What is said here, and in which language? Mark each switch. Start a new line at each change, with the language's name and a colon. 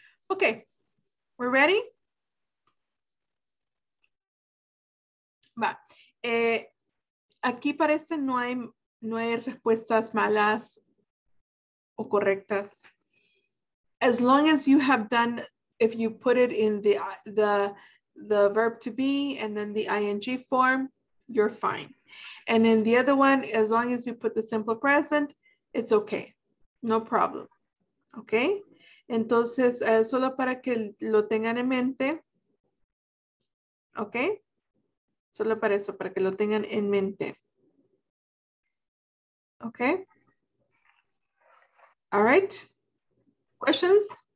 English: Okay, we're ready?
Spanish: Va. Aquí parece no hay respuestas malas o correctas.
English: As long as you have done, if you put it in the verb to be and then the ing form, you're fine. And in the other one, as long as you put the simple present, it's okay, no problem, okay?
Spanish: Entonces, solo para que lo tengan en mente, ¿ok? Solo para eso, para que lo tengan en mente. ¿Ok?
English: All right. Questions?